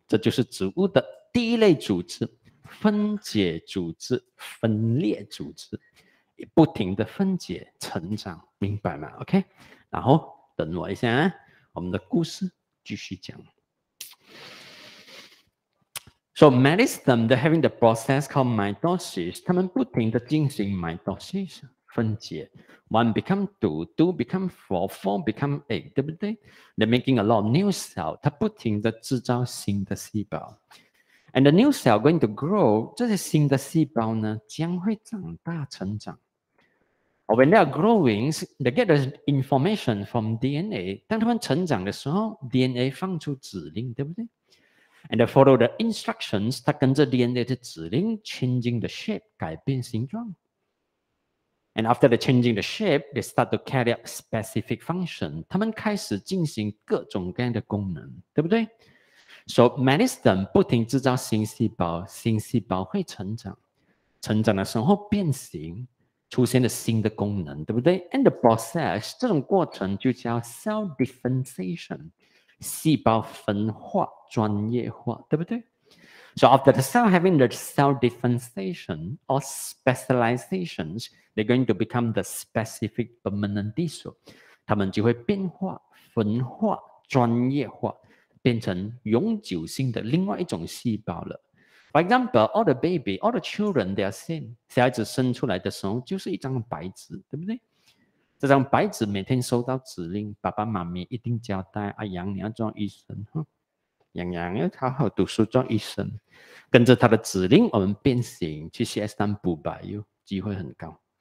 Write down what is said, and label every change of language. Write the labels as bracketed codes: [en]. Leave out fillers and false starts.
[zh] 这就是植物的第一类组织，分解组织，分裂组织，不停的分解成长，明白吗 ？ [en] Okay. [zh] 然后等我一下啊，我们的故事继续讲。 [en] So meristem they're having the process called mitosis. [zh] 他们不停的进行 mitosis 分解。 [en] One become two, two become four, four become eight, [zh] 对不对 [en] ？They're making a lot of new cell. [zh] 它不停地制造新的细胞 [en] ，and the new cell going to grow. [zh] 这些新的细胞呢，将会长大成长。 [en] Or when they are growing, they get the information from DNA. [zh] 当他们成长的时候 ，DNA 放出指令，对不对 ？ [en] And they follow the instructions. [zh] 它跟着 DNA 的指令 ， [en] changing the shape, [zh] 改变形状。 [en] And after the changing the shape, they start to carry out specific function. [zh] 他们开始进行各种各样的功能，对不对 ？So meristem 不停制造新细胞，新细胞会成长，成长的时候变形，出现了新的功能，对不对？ [en] And the process， [zh] 这种过程就叫 cell differentiation， 细胞分化，专业化，对不对？ [en] So after the cell having the cell differentiation or specializations， they're going to become the specific permanent tissue， [zh] 他们就会变化、分化、专业化，变成永久性的另外一种细胞了。 [en] For example, all the baby, all the children, they are seen. [zh] 小孩子生出来的时候就是一张白纸，对不对？这张白纸每天收到指令，爸爸妈妈一定交代，阿阳你要做医生，阳阳要好好读书做医生。跟着他的指令，我们变形去 CS 当补白，机会很高。